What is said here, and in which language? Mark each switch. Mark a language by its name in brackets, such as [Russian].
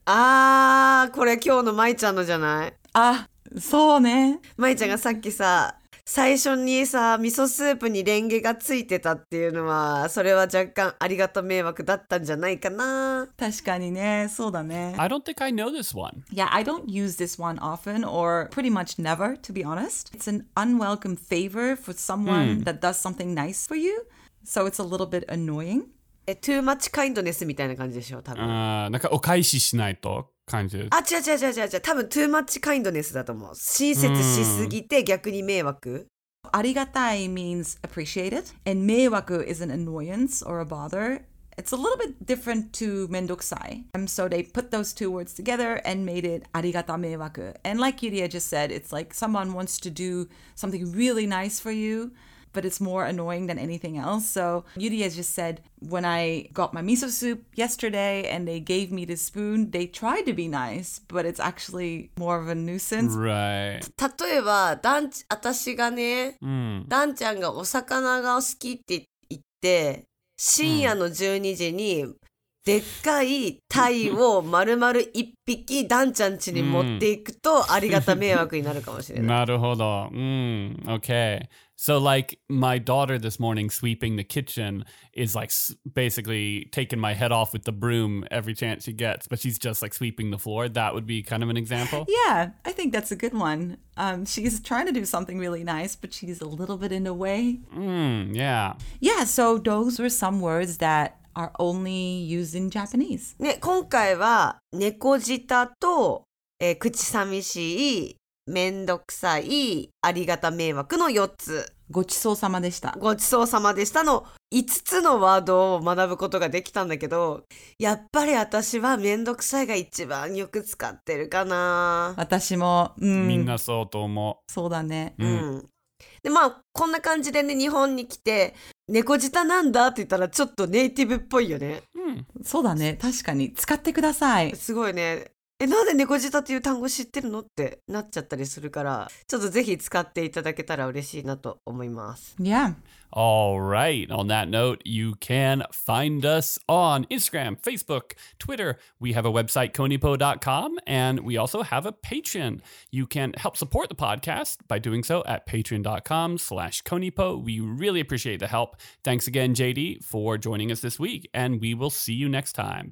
[Japanese] あー、これ今日のまいちゃんのじゃない？あ、そうね。まいちゃんがさっきさ、最初にさ、味噌スープにレンゲがついてたっていうのは、それは若干ありがた迷惑だったんじゃないかな。確かにね、そうだね。 [English] I don't think I know this one. Yeah, I don't use this one often or pretty much never, to be honest. It's an unwelcome favor for someone that does something nice for you. So it's a little bit annoying. Too much kindness [Japanese] みたいな感じでしょ、多分。なんかお返ししないと。感じあ、違う多分 [English] too much kindness [Japanese] だと思う親切しすぎて逆に迷惑、う [English] ん、ありがたい means appreciated and 迷惑 is an annoyance or a bother it's a little bit different to mendokusai so they put those two words together and made it ありがた迷惑 and like Yuria just said it's like someone wants to do something really nice for youBut it's more annoying than anything else. So Yuri has just said, when I got my miso soup yesterday and they gave me the spoon, they tried to be nice, but it's actually more of a nuisance. Right. [Japanese] 例えば、私がね、ダンちゃんがお魚が好きって言って、深夜の12時にでっかい鯛を丸々一匹ダンちゃん家に持っていくとありがた迷惑になるかもしれない。なるほど。Okay. [English] So, like, my daughter this morning sweeping the kitchen is, like, basically taking my head off with the broom every chance she gets, but she's just, like, sweeping the floor. That would be kind of an example. Yeah, I think that's a good one. She's trying to do something really nice, but she's a little bit in the way. Yeah. Yeah, so those were some words that are only used in Japanese. [Japanese] ね、今回は猫舌と、口寂しいめんどくさい、ありがた迷惑の4つ。ごちそうさまでした。ごちそうさまでしたの5つのワードを学ぶことができたんだけど、やっぱり私はめんどくさいが一番よく使ってるかな。私も、みんなそうと思う。そうだね。で、まあ、こんな感じでね、日本に来て、猫舌なんだって言ったらちょっとネイティブっぽいよね。そうだね。確かに。使ってください。すごいね。え、なんで猫舌っていう単語知ってるのってなっちゃったりするから、ちょっとぜひ使っていただけたら嬉しいなと思います。 [English] Yeah. All right. On that note, you can find us on Instagram, Facebook, Twitter. We have a website, konipo.com, and we also have a Patreon. You can help support the podcast by doing so at patreon.com/konipo. We really appreciate the help. Thanks again, JD, for joining us this week, and we will see you next time.